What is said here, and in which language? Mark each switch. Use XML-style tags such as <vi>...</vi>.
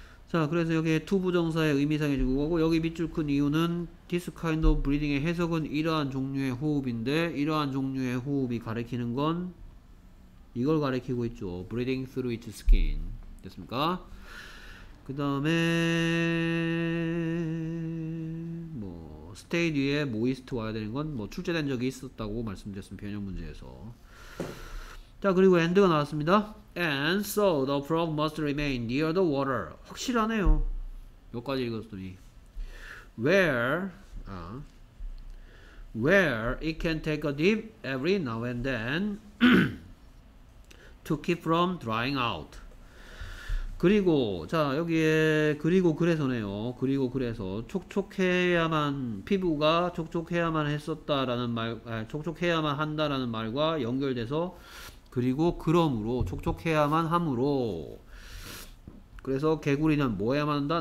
<ko>자 그래서 여기에 to 부정사의 의미상의 주어고 여기 밑줄 큰 이유는</ko> <en>this kind of breathing</en> <ko>의 해석은 이러한 종류의 호흡인데 이러한 종류의 호흡이 가리키는 건 이걸 가리키고 있죠.</ko> <en>breathing through its skin</en> <ko>됐습니까? 그 다음에 뭐 stay 뒤에 moist 와야 되는 건 뭐 출제된 적이 있었다고 말씀드렸습니다. 변형 문제에서 자 그리고 end가 나왔습니다.</ko> <en>And so the frog must remain near the water.</en> <ko>확실하네요. 여기까지 읽었더니</ko> <en>where it can take a dip every now and then to keep from drying out.</en> <ko>그리고 자 여기에 그리고 그래서네요. 그리고 그래서 촉촉해야만 피부가 촉촉해야만 했었다라는 말 촉촉해야만 한다라는 말과 연결돼서. 그리고 그러므로 촉촉해야만 함으로 그래서 개구리는 뭐 해야만 한다?</ko>